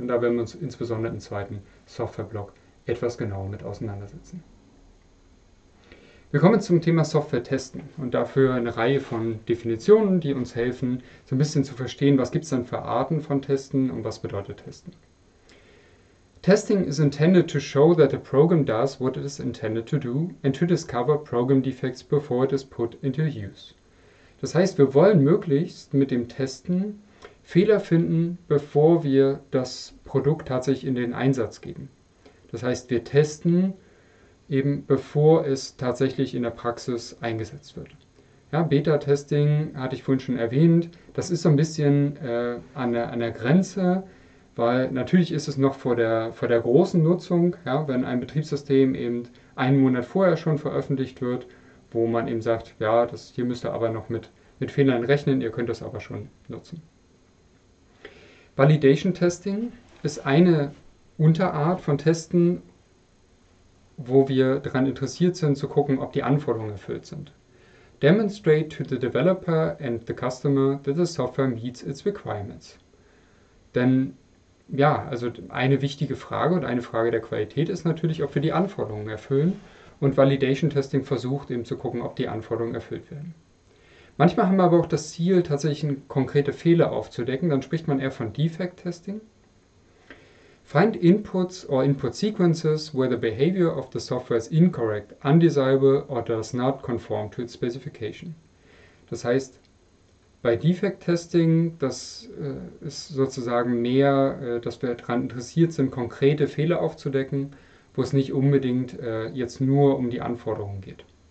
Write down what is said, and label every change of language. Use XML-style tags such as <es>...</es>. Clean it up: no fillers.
<de>Und da werden wir uns insbesondere im zweiten Softwareblock etwas genauer mit auseinandersetzen. Wir kommen zum Thema Software testen und dafür eine Reihe von Definitionen, die uns helfen, so ein bisschen zu verstehen, was gibt es denn für Arten von Testen und was bedeutet Testen.</de> <en>Testing is intended to show that a program does what it is intended to do and to discover program defects before it is put into use.</en> <de>Das heißt, wir wollen möglichst mit dem Testen Fehler finden, bevor wir das Produkt tatsächlich in den Einsatz geben. Das heißt, wir testen eben bevor es tatsächlich in der Praxis eingesetzt wird. Ja, Beta-Testing hatte ich vorhin schon erwähnt. Das ist so ein bisschen an der Grenze, weil natürlich ist es noch vor der großen Nutzung, ja, wenn ein Betriebssystem eben einen Monat vorher schon veröffentlicht wird, wo man eben sagt, ja, das hier müsst ihr aber noch mit Fehlern rechnen, ihr könnt das aber schon nutzen. Validation-Testing ist eine Unterart von Testen, wo wir daran interessiert sind, zu gucken, ob die Anforderungen erfüllt sind.</de> <en>Demonstrate to the developer and the customer that the software meets its requirements.</en> <de>Denn ja, also eine wichtige Frage und eine Frage der Qualität ist natürlich, ob wir die Anforderungen erfüllen. Und Validation Testing versucht eben zu gucken, ob die Anforderungen erfüllt werden. Manchmal haben wir aber auch das Ziel, tatsächlich konkrete Fehler aufzudecken. Dann spricht man eher von Defect Testing.</de> <en>Find inputs or input sequences where the behavior of the software is incorrect, undesirable or does not conform to its specification.</en> <de>Das heißt, bei Defect-Testing, das ist sozusagen mehr, dass wir daran interessiert sind, konkrete Fehler aufzudecken, wo es nicht unbedingt jetzt nur um die Anforderungen geht.</de>